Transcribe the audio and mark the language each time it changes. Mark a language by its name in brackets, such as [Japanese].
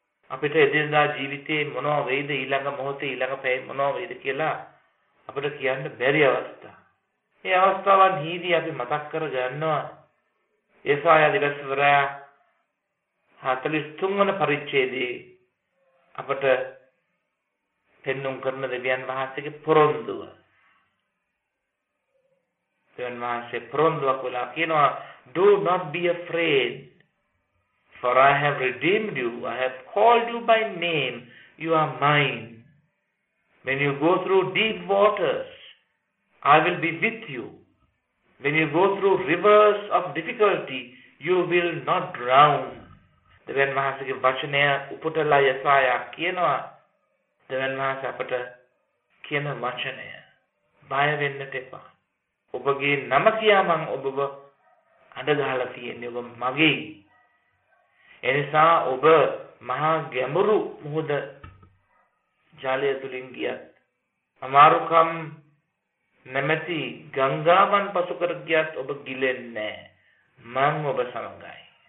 [Sinhala] අපිට එදිනදා ජීවිතයේ මොනව වෙයිද, ඊළඟ මොහොතේ ඊළඟ පැය මොනව වෙයිද කියලා අපිට කියන්න බැරි අවස්ථා. ඒ අවස්ථාවන් හීදී අපි මතක් කර ගන්නවා යෙසායා දිවස්වරයා 43 වන පරිච්ඡේදයේ අපට පෙන්නුම් කරන දෙවියන් වහන්සේගේ පොරොන්දුව. දෙවියන් වහන්සේ පොරොන්දුවක් වෙලා කියනවා, [English] Do not be afraid, for I have redeemed you, I have called you by name, you are mine. When you go through deep waters, I will be with you. When you go through rivers of difficulty, you will not drown. [Sinhala] දෙවන් මහසගේ වචනය උපුටලා යසායා කියනවා. දෙවන් මහස අපට කියන වචනය, බය වෙන්නට එපා. ඔබගේ නම කියා මම ඔබව අඬ ගහලා තියෙන්නේ. ඔබ මගේ එනිසා ඔබ මහා ගැඹුරු මුහුද ජලය තුලින් ගියත් අමාරුකම් නැමැති ගංගාවන් පසු කර ගියත් ඔබ ගිලෙන්නේ නැහැ. මම ඔබ සමඟයි.